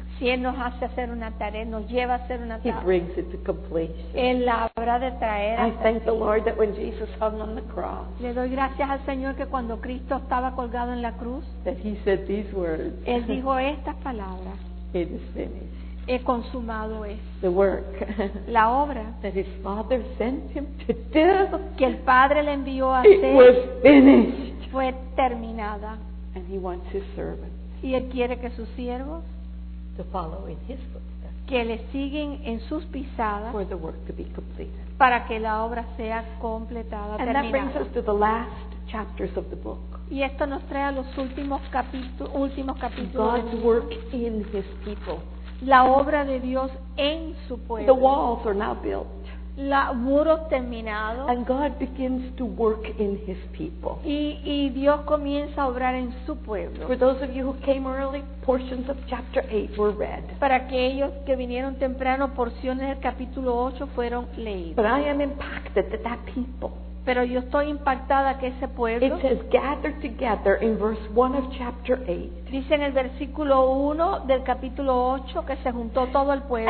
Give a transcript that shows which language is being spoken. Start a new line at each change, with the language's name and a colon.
Spanish: si Él nos hace hacer una tarea, nos lleva a hacer una tarea.
English: He brings it to completion.
Spanish: Él la habrá de traer.
English: I thank the Lord that when Jesus hung on the cross.
Spanish: Le doy gracias al Señor que cuando Cristo estaba colgado en la cruz.
English: That he said these words.
Spanish: Él dijo estas palabras.
English: It is finished.
Spanish: He consumado es.
English: The work.
Spanish: La obra.
English: That his Father sent him to do.
Spanish: Que el Padre le envió a
English: it
Spanish: hacer.
English: It was finished.
Spanish: Fue terminada.
English: And he wants his servants.
Spanish: Y Él quiere que sus siervos.
English: To follow in his footsteps.
Spanish: Que le siguen en sus pisadas.
English: For the work to be completed.
Spanish: Para que la obra sea completada,
English: and
Spanish: terminada.
English: That brings us to the last chapters of the book.
Spanish: Y esto nos trae a los últimos capítulos.
English: God's work in his people.
Spanish: La obra de Dios en su pueblo.
English: The walls are now built.
Spanish: La muros terminados.
English: And God begins to work in his people.
Spanish: Y Dios comienza a obrar en su pueblo.
English: For those of you who came early, portions of chapter 8 were read.
Spanish: Para aquellos que vinieron temprano, porciones del capítulo 8 fueron leídas.
English: But I am impacted that that people.
Spanish: Pero yo estoy impactada que ese pueblo.
English: It says gathered together in verse 1 of chapter 8.
Spanish: Dice en el versículo 1 del capítulo 8 que se juntó todo el pueblo.